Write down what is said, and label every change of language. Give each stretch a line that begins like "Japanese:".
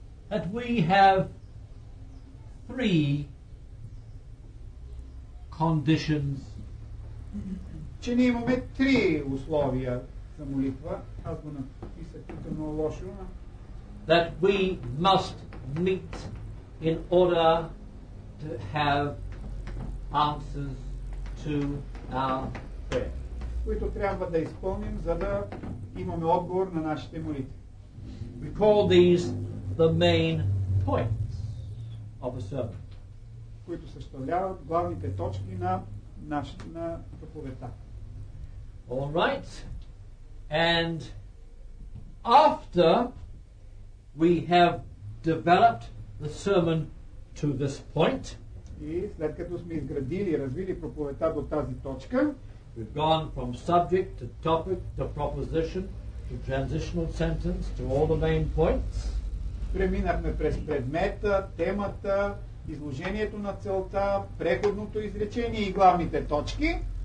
English: that we have 3 conditions,
Bulgarian: че ние имаме 3 условия за молитва, аз го написах тук много лошо,
English: that we must meet in order to have answers to our prayer,
Bulgarian: които трябва да изпълним, за да имаме отговор на нашите молитви.
English: We call these the main points of a sermon,
Bulgarian: които съставляват главните точки на нашата проповедта.
English: All right. And after we have developed the sermon to this point,
Bulgarian: и след като сме изградили и развили проповедта до тази точка,
English: we've gone from subject to topic to proposition to transitional sentence to all the main points.
Bulgarian: Преминахме през предмета, темата, изложението на целта, преходното изречение и главните точки.